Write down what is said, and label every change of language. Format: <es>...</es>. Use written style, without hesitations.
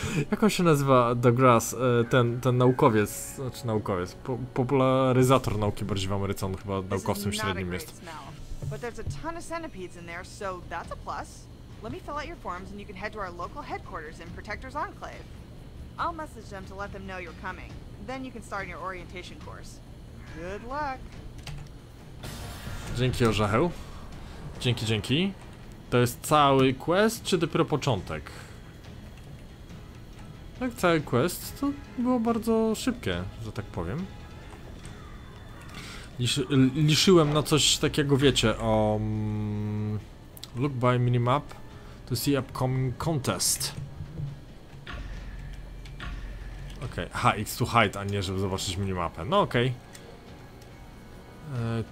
<pl>Jak on się nazywa, Dankgrass? Ten naukowiec, znaczy naukowiec, popularyzator nauki bardziej w Ameryce, on chyba naukowcem średnim jest.</pl> <en>But there's a ton of centipedes in there, so that's a plus. Let me fill out your forms and you can head to our local headquarters in Protector's Enclave. I'll message them to let them know you're coming. Then you can start your orientation course. Good luck.</en> <pl>Dzięki, orzecheł. Dzięki. To jest cały quest, czy dopiero początek? Tak, cały quest to było bardzo szybkie, że tak powiem. Liczyłem na coś takiego, wiecie, o...</pl> <en>Look by minimap to see upcoming contest.</en> <pl>Okej, okay.</pl> <en>X to hide,</en> <pl>a nie żeby zobaczyć minimapę, no okej, okay.</pl>